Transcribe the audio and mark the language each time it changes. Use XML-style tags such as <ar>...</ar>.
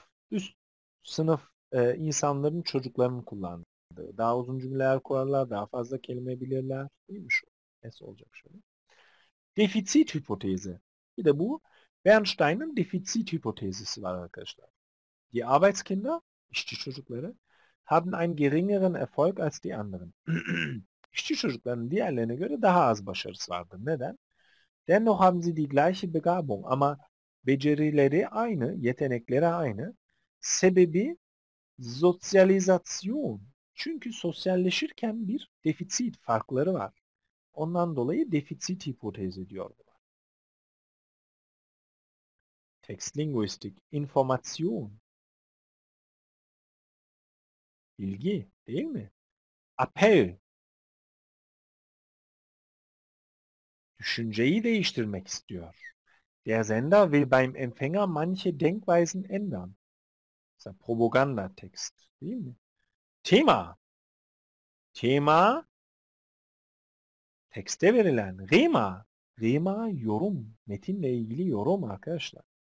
<tr>Üst sınıf insanların çocuklarının kullandığı. Daha uzun cümleler kurarlar. Daha fazla kelime bilirler. Değil mi şu? Es olacak şöyle. Defizit hipotezi. Bir de bu Bernstein'ın defizit hipotezisi var arkadaşlar.</tr> <de>Die Arbeitskinder,</de> <tr>işçi çocukları,</tr> <de>haben einen geringeren Erfolg als die anderen.</de> <tr>İşçi çocukların diğerlerine göre daha az başarısı vardır. Neden?</tr> <de>Dennoch haben sie die gleiche Begabung.</de> <tr>Ama becerileri aynı, yetenekleri aynı. Sebebi sosyalizasyon. Çünkü sosyalleşirken bir defizit farkları var. Ondan dolayı defizit hipotezi diyorlar. Textlinguistik, informasyon, bilgi değil mi? Apel, düşünceyi değiştirmek istiyor.</tr> <de>Der Sender will beim Empfänger manche Denkweisen ändern.</de> <tr>Mesela propaganda text değil mi? Thema, thema, tekste verilen. Rima, rima yorum, metinle ilgili yorum arkadaşlar.</tr>